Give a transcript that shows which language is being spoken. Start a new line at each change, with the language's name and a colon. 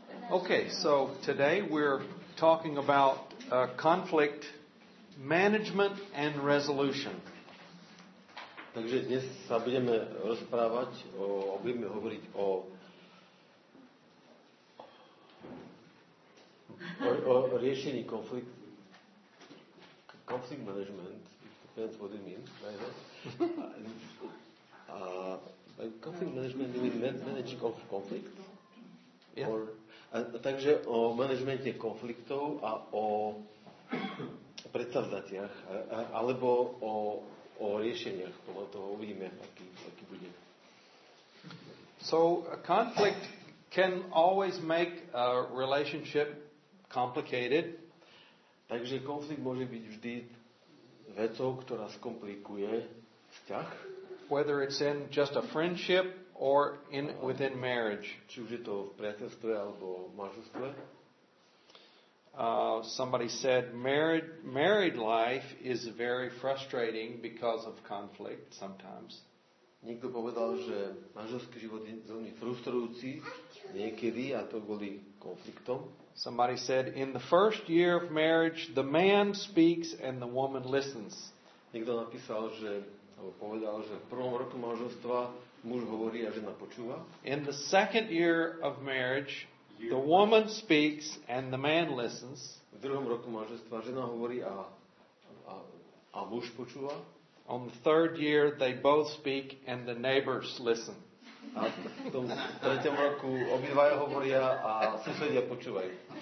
English: Okay, so today we're talking about conflict management and resolution.
Slovak: Takže dnes sa budeme rozprávať o budeme hovoriť o riešení
English: conflict management. Depends what it means, right? conflict management, do we manage conflict? Yeah. Or,
Slovak: takže o manažmente konfliktov a o predstavzatiach, alebo o riešeniach, podľa toho uvidíme, aký bude.
English: So, a conflict can always make a relationship complicated.
Slovak: Takže konflikt môže byť vždy vecou, ktorá skomplikuje vzťah.
English: Whether it's in just a friendship or in within marriage.
Slovak: Či už je to v priateľstve alebo manželstve.
English: Somebody said married life is very frustrating because of conflict sometimes.
Slovak: Niekto povedal, že manželský život je veľmi frustrujúci niekedy a to kvôli konfliktom.
English: Somebody said in the first year of marriage the man speaks and the woman listens.
Slovak: Niekto napísal, že alebo povedal, že v prvom roku manželstva muž hovorí a žena počúva.
English: In the second year of marriage the woman speaks and the man listens.
Slovak: V druhom roku manželstva žena hovorí a muž počúva.
English: On the third year they both speak and the neighbors listen.
Slovak: A v tom tretom roku obidvaja hovoria a susedia počúvajú.